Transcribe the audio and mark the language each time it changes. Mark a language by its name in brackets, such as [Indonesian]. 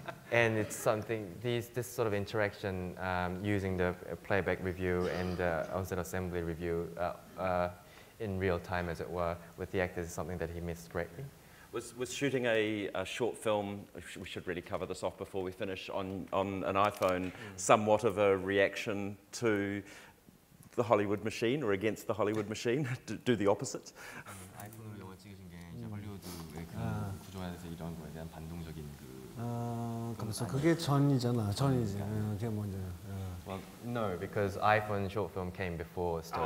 [English] and it's something, this sort of interaction using the playback review and on-set assembly review in real time, as it were, with the actors is something that he missed greatly. Was shooting a short film, we should really cover this off before we finish, on an iPhone somewhat of a reaction to the Hollywood machine or against the Hollywood machine? Do the opposite? [Korean] 아이폰으로 영화 찍으신 게 이제 할리우드의 그 구조에 대해서 이런 거에 대한 반동적인 그... 그래서 그게 전이잖아, 전이지. 그게 먼저. [English] Well, no, because iPhone short film came before Stoker.